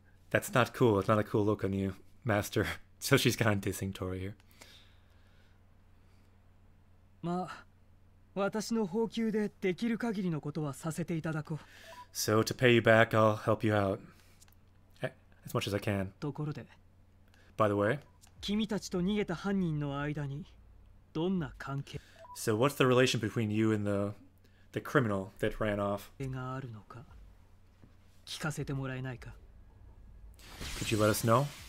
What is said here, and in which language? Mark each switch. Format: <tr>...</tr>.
<en>That's not cool. It's not a cool look on you, master. So she's kind of dissing Tori here.</en> <ja>まあ、私の俸給でできる限りのことはさせていただこう.</ja> <en>So to pay you back, I'll help you out. As much as I can. By the way, so what's the relation between you and the the criminal that ran off. Could you let us know?</en>